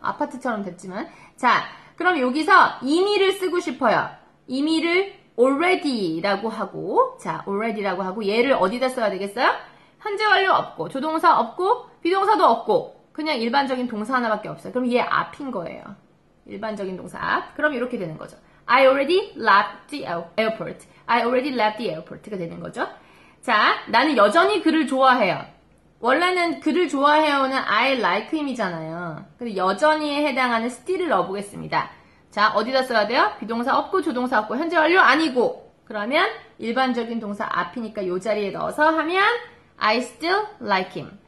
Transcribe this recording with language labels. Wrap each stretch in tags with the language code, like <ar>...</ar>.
<ko>아파트처럼 됐지만. 자, 그럼 여기서 이미를 쓰고 싶어요. 이미를 already라고 하고, 자, already라고 하고 얘를 어디다 써야 되겠어요? 현재 완료 없고, 조동사 없고, 비동사도 없고, 그냥 일반적인 동사 하나밖에 없어요. 그럼 얘 앞인 거예요. 일반적인 동사. 그럼 이렇게 되는 거죠.</ko> <en>I already left the airport. I already left the airport가</en> <ko>되는 거죠. 자, 나는 여전히 그를 좋아해요. 원래는 그를 좋아해요는</ko> <en>I like him</en> <ko>이잖아요. 근데 여전히에 해당하는 still을 넣어보겠습니다. 자, 어디다 써야 돼요? 비동사 없고 조동사 없고 현재 완료 아니고. 그러면 일반적인 동사 앞이니까 요 자리에 넣어서 하면</ko> <en>I still like him.</en>